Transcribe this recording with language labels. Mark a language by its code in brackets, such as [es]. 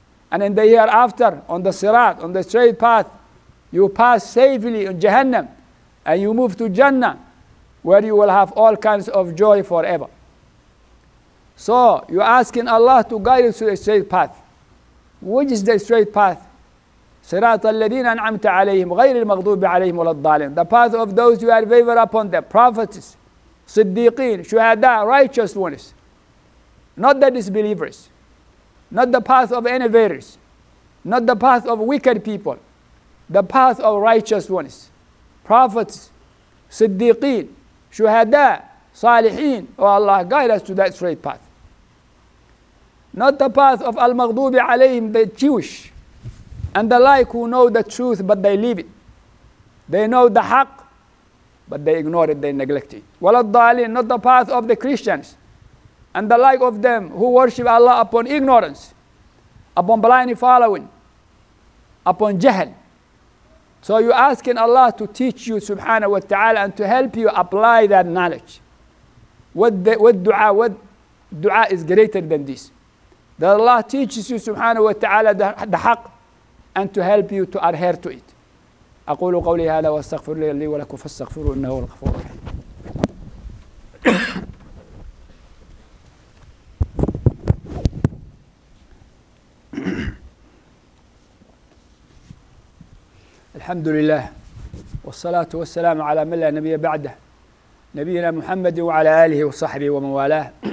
[en] And in the hereafter on the sirat, on the straight path, you pass safely in Jahannam. And you move to Jannah, where you will have all kinds of joy forever. So you're asking Allah to guide you to the straight path. Which is the straight path? [ar] صراط الذين أنعمت عليهم غير المغضوب عليهم ولا الضالين. [en] The path of those who had favor upon them. Prophets, [ar] صديقين, شهداء, [en] righteous ones. Not the disbelievers. Not the path of innovators. Not the path of wicked people. The path of righteous ones. [ar] Prophets, صديقين, شهداء, صالحين. [en] Oh Allah, guide us to that straight path. Not the path of al-maghdubi alayhim, the Jewish, and the like who know the truth, but they leave it. They know the haqq, but they ignore it, they neglect it. Wala al-dhalin, not the path of the Christians, and the like of them who worship Allah upon ignorance, upon blindly following, upon jahl. So you're asking Allah to teach you, subhanahu wa ta'ala, and to help you apply that knowledge. What dua is greater than this? That Allah teaches you, subhanahu wa ta'ala, the haqq, and to help you to adhere to it. [ar] أقول قولي هذا واستغفر لي ولكم فاستغفروا إنه الغفور الرحيم. الحمد لله والصلاة والسلام على من لا نبي بعده نبينا محمد وعلى آله وصحبه ومن والاه.